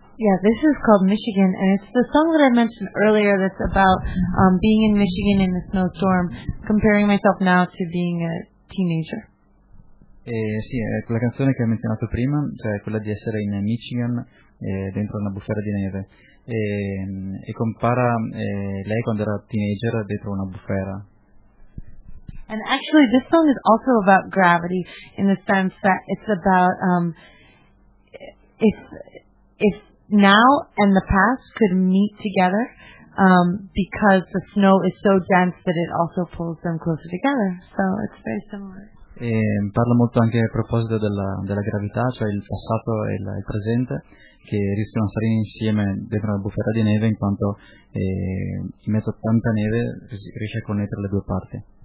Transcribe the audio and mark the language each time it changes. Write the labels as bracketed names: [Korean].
[English] Yeah, this is called Michigan, and it's the song that I mentioned earlier that's about being in Michigan in the snowstorm, comparing myself now to being a teenager. [Italian] Sì, la canzone che hai menzionato prima, cioè quella di essere in Michigan dentro una bufera di neve e compara lei quando era teenager dentro una bufera. [English] And actually this song is also about gravity in the sense that it's about if now and the past could meet together because the snow is so dense that it also pulls them closer together. So it's very similar. [Italian] E parla molto anche a proposito della gravità, cioè il passato e il presente, che rischiano di stare insieme dentro una bufera di neve in quanto in mezzo a tanta neve riesce a connettere le due parti.